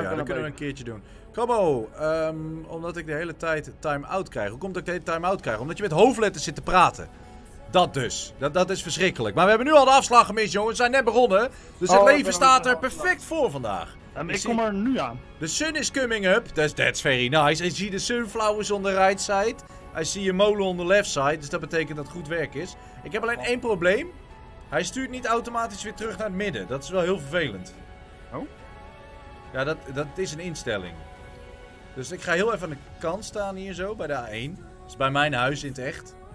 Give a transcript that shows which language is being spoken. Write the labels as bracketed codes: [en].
[nl] Ja, dat kunnen we een keertje doen. Kom op, omdat ik de hele tijd time-out krijg. Hoe komt dat ik de hele time-out krijg? Omdat je met hoofdletters zit te praten. Dat dus. Dat is verschrikkelijk. Maar we hebben nu al de afslag gemist, jongens. We zijn net begonnen. Dus het leven staat er perfect voor vandaag. Ik kom er nu aan. [en] The sun is coming up. That's very nice. I see the sunflowers on the right side. I see a molen on the left side. [nl] Dus dat betekent dat het goed werk is. Ik heb alleen één probleem. Hij stuurt niet automatisch weer terug naar het midden. Dat is wel heel vervelend. Oh? Ja, dat is een instelling. Dus ik ga heel even aan de kant staan hier zo, bij de A1. Dat is bij mijn huis in het echt.